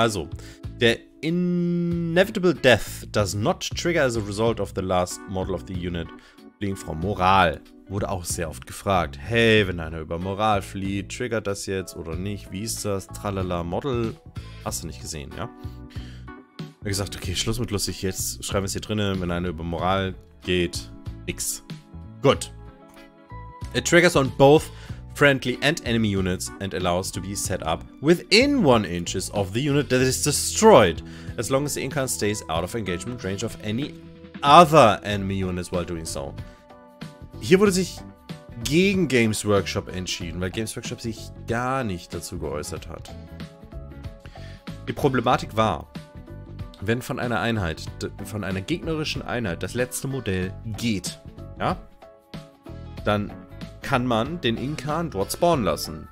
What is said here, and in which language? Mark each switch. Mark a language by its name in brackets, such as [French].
[German] Also, der [English] Inevitable Death does not trigger as a result of the last model of the unit being from Moral. [German] Wurde auch sehr oft gefragt. Hey, wenn einer über Moral flieht, triggert das jetzt oder nicht? Wie ist das? Tralala, Model. Hast du nicht gesehen, ja? Wie gesagt, okay, Schluss mit lustig. Jetzt schreiben wir es hier drinnen. Wenn einer über Moral geht, nix. Gut. [English] It triggers on both friendly and enemy units and allows to be set up within 1 inches of the unit that is destroyed, as long as the incant stays out of engagement range of any other enemy units while doing so. [German] Hier wurde sich gegen Games Workshop entschieden, weil Games Workshop sich gar nicht dazu geäußert hat. Die Problematik war, wenn von einer Einheit, von einer gegnerischen Einheit, das letzte Modell geht, ja, dann kann man den Inkarn dort spawnen lassen.